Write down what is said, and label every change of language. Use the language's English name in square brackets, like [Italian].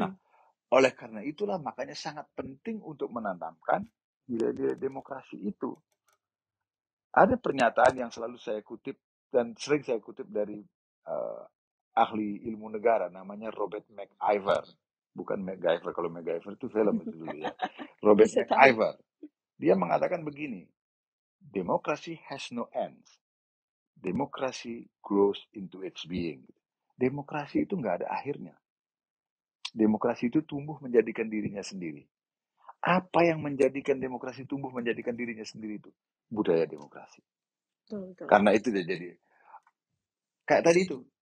[Indonesian] Nah, oleh karena itulah makanya sangat penting untuk menanamkan nilai-nilai demokrasi itu. Ada pernyataan yang selalu saya kutip dan sering saya kutip dari ahli ilmu negara, namanya Robert McIver. Bukan MacGyver, kalau MacGyver itu film itu dulu ya. Robert McIver. Dia mengatakan begini, [English] democracy has no ends. Demokrasi grows into its being. [Indonesian] Demokrasi itu nggak ada akhirnya. Demokrasi itu tumbuh menjadikan dirinya sendiri. Apa yang menjadikan demokrasi tumbuh menjadikan dirinya sendiri itu? Budaya demokrasi. Betul. Karena itu dia jadi. Kayak tadi itu.